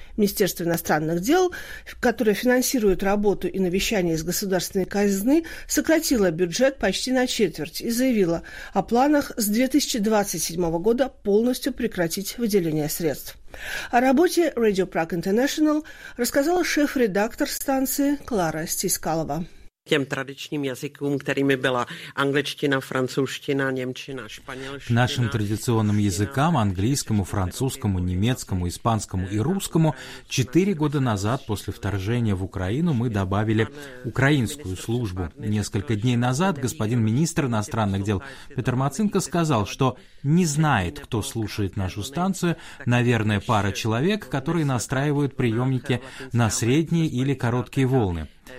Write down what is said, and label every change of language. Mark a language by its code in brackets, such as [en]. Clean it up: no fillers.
[ru] Министерство иностранных дел, которое финансирует работу и навещание из государственной казны, сократило бюджет почти на четверть и заявило о планах с 2027 года полностью прекратить выделение средств. О работе Radio Prague International рассказала шеф-редактор станции Клара Стискалова. [cs] Těm tradičním jazykům, kterými byla angličtina, francouzština, němčina, španělština. K našim tradicionálním jazykům, anglickému, francouzskému, německému, ispánskému i ruskému, [ru] 4 года назад после вторжения в Украину мы добавили украинскую службу. Несколько дней назад господин министр иностранных дел Петр Мацинко сказал, что не знает, кто слушает нашу станцию, наверное, пара человек, которые настраивают приемники на средние или короткие волны.